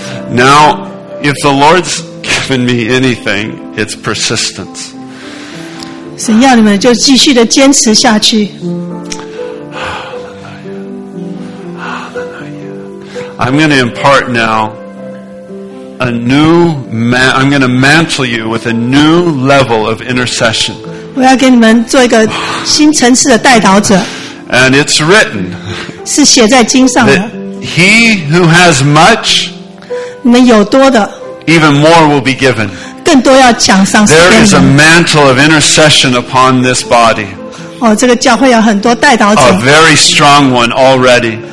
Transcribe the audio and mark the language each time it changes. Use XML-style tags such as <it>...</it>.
<en>Now, if the Lord's given me anything, it's persistence.</en> <zh>神要你们就继续的坚持下去。</zh> <en>I'm going to impart now a new I'm going to mantle you with a new level of intercession.</en> <zh>我要给你们做一个新层次的代祷者。</zh> <en>And it's written</en> <zh>是写在经上的。</zh> <en>That he who has much, even more will be given. There is a mantle of intercession upon this body. A very strong one already.</en>